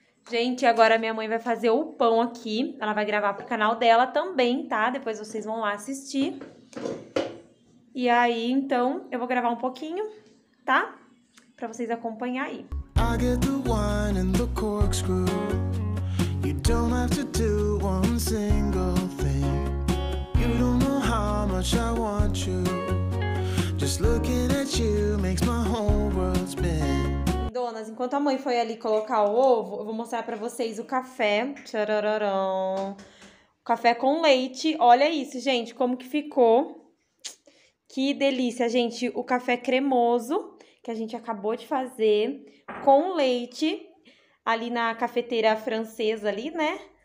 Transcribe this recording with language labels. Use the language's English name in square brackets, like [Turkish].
[Portuguese] Gente, agora minha mãe vai fazer o pão aqui. Ela vai gravar pro canal dela também, tá? Depois vocês vão lá assistir. E aí, então, eu vou gravar um pouquinho, tá? Pra vocês acompanhar aí. [English] I get the wine and the corkscrew. You don't have to do one single thing. You don't know how much I want you. Just looking at you makes my whole world spin. [Portuguese] Donas, enquanto a mãe foi ali colocar o ovo, eu vou mostrar pra vocês o café. Tchararão. Café com leite. Olha isso, gente, como que ficou. Que delícia, gente. O café cremoso que a gente acabou de fazer com leite ali na cafeteira francesa ali, né?